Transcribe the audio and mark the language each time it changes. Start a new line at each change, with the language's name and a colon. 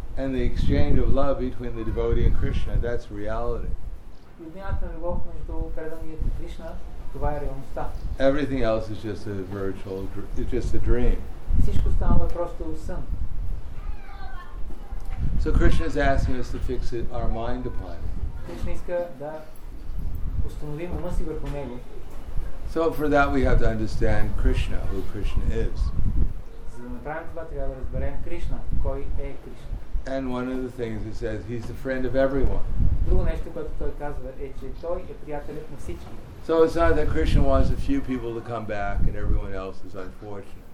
English: And the exchange of love between the devotee and Krishna, that's reality.
Bulgarian: Обмяната на любов между преданият и Кришна, това е реалността.
English: Everything else is just a virtual, it's just a dream.
Bulgarian: Всичко останало е просто сън.
English: So Krishna is asking us to fix it, our mind upon it.
Bulgarian: Krishna иска да установим ума си върху него.
English: So for that we have to understand Krishna, who Krishna is.
Bulgarian: За да направим това, трябва да разберем Кришна, кой е Кришна.
English: And one of the things he says, he's the friend of everyone.
Bulgarian: Друго нещо, което той казва, е, че той е приятелят на всички.
English: So it's not that Krishna wants a few people to come back and everyone else is unfortunate.